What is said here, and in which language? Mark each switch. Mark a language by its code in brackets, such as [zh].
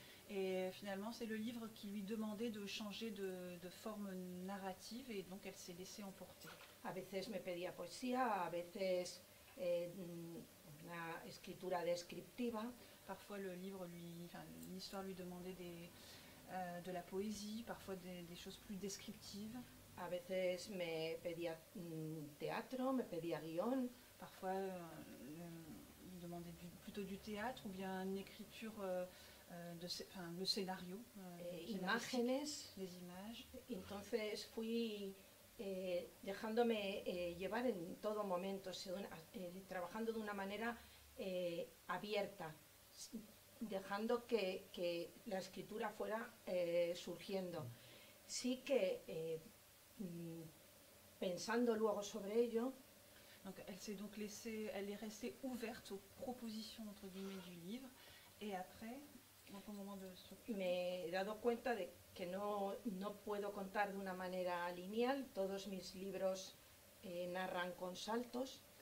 [fr] Et finalement, c'est le livre qui lui demandait de changer de forme narrative et donc elle s'est laissée emporter. [es] A veces me pedía poesía, a veces una escritura descriptiva. [fr] Parfois l'histoire lui demandait de la poésie, parfois des choses plus descriptives. [es] A veces me pedía teatro, me pedía guion. [fr] Parfois, il demandait plutôt du théâtre ou bien une écriture, le scénario. [es] Imágenes. [fr] Les images. [es] Entonces fui dejándome llevar en todo momento, trabajando de una manera abierta, dejando que la escritura fuera surgiendo. Sí que pensando luego sobre ello. [fr] Donc elle s'est donc laissée, elle est restée ouverte aux propositions entre guillemets du livre, et après, donc au moment de [es] me he dado cuenta de que no puedo contar de una manera lineal, todos mis libros narran con saltos.